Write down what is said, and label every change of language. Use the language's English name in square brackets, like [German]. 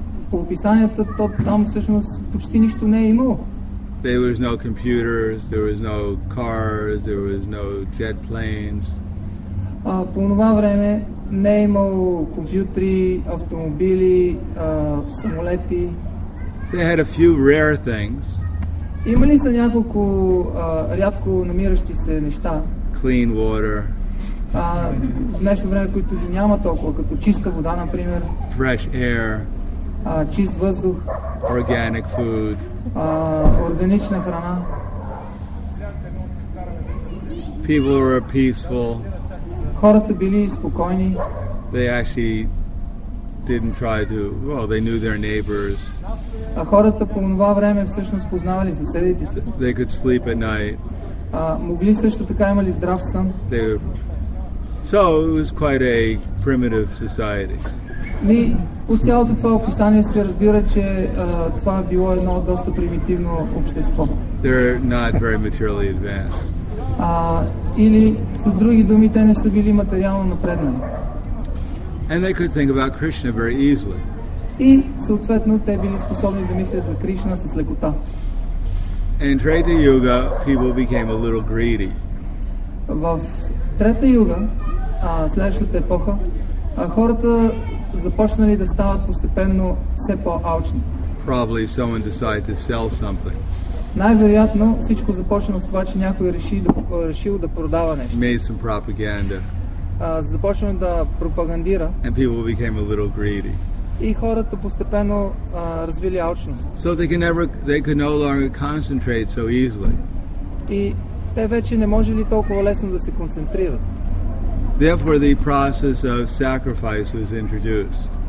[Bulgarian] По описанията там всъщност почти нищо не е имало. [English] There was no computers, there was no cars, there was no jet planes. [Bulgarian] По това време не е имало компютри, автомобили, самолети. [English] They had a few rare things. [Bulgarian] Имали са няколко рядко намиращи се неща. [English] Clean water. [Bulgarian] В днешно време, които ги няма толкова, като чиста вода, например. [English] Fresh air. [Bulgarian] Чист въздух. [English] Organic food. [Bulgarian] Органична храна. [English] People were peaceful. [Bulgarian] Хората били спокойни. [English] They actually didn't try to, well, they knew their neighbors. [Bulgarian] Хората по това време всъщност познавали съседите си. [English] They could sleep at night. [Bulgarian] Могли също така, имали здрав сън. [English] So it was quite a primitive society. [Bulgarian] По цялото това описание се разбира, че това е било едно доста примитивно общество. [English] They're not very materially advanced. [Bulgarian] Или с други думи, те не са били материално напреднали. [English] And they could think about Krishna very easily. [Bulgarian] И съответно те били способни да мислят за Кришна с лекота. [English] In Treta Yuga, people became a little greedy. [Bulgarian] В Трета Юга, следващата епоха, хората започнали да стават постепенно все по-алчни. [English] Probably someone decided to sell something. [Bulgarian] Най-вероятно всичко започнало с това, че някой решил да продава нещо. [English] Made some propaganda. [Bulgarian] Започнал да пропагандира. [English] And people became a little greedy. [Bulgarian] И хората постепенно развили алчност. [English] So they could no longer concentrate so easily. [Bulgarian] И те вече не можели толкова лесно да се концентрират. [English] Therefore the process of sacrifice was introduced.